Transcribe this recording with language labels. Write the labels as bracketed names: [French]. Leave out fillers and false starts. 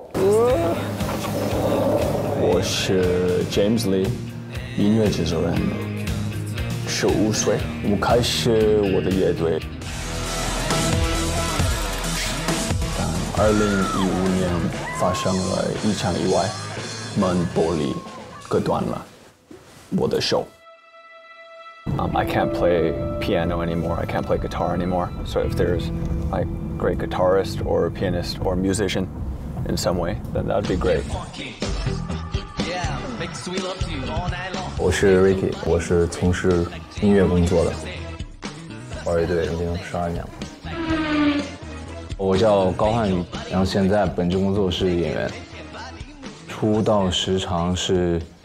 [Chinese] 我是 James Lee， 音乐制作人，15岁，我开始我的乐队，2015年发生了一场意外，门玻璃割断了。我的手。 [English] I can't play piano anymore. I can't play guitar anymore. So if there's a great guitarist or a pianist or a musician in some way, then that'd be great. [Chinese] 我是 Ricky， 我是从事音乐工作的，玩乐队已经12年了。我叫高瀚宇，然后现在本职工作是演员，出道时长是。